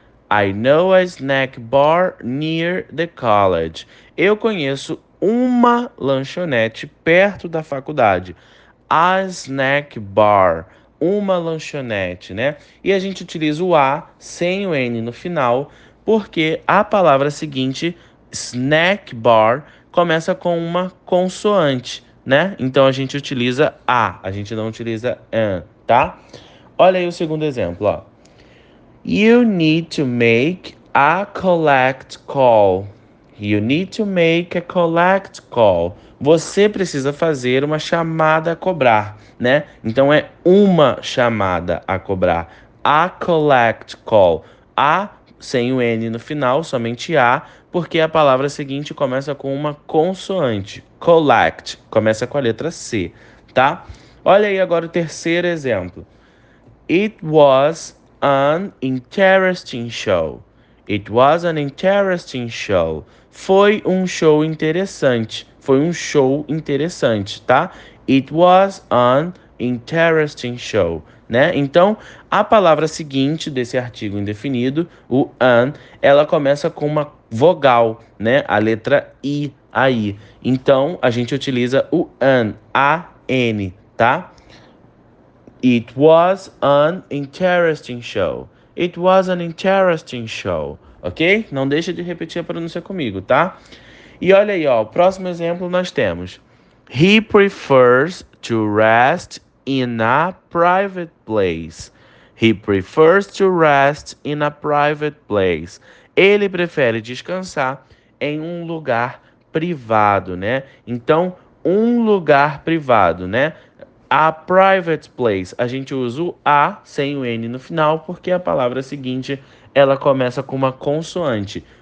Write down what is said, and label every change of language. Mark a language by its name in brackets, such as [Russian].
[English] I know a snack bar near the college. [Portuguese] Eu conheço uma lanchonete perto da faculdade. [English] A snack bar. [Portuguese] Uma lanchonete, né? E a gente utiliza o A sem o N no final, porque a palavra seguinte, snack bar, começa com uma consoante, né? Então a gente utiliza a gente não utiliza an, tá? Olha aí o segundo exemplo, ó. [English] You need to make a collect call. You need to make a collect call. [Portuguese] Você precisa fazer uma chamada a cobrar, né? Então é uma chamada a cobrar. [English] A collect call. [Portuguese] A sem o N no final, somente A, porque a palavra seguinte começa com uma consoante. Collect começa com a letra C, tá? Olha aí agora o terceiro exemplo. [English] It was an interesting show. It was an interesting show. [Portuguese] Foi um show interessante. Foi um show interessante, tá? [English] It was an interesting show, né? [Portuguese] Então, a palavra seguinte desse artigo indefinido, o an, ela começa com uma vogal, né? A letra I aí. Então, a gente utiliza o an, A-N, tá? [English] It was an interesting show. It was an interesting show. Ok? [Portuguese] Não deixa de repetir a pronúncia comigo, tá? E olha aí, ó. O próximo exemplo nós temos. [English] He prefers to rest in a private place. He prefers to rest in a private place. [Portuguese] Ele prefere descansar em um lugar privado, né? Então, um lugar privado, né? [English] A private place, [Portuguese] a gente usa o A sem o N no final, porque a palavra seguinte, ela começa com uma consoante.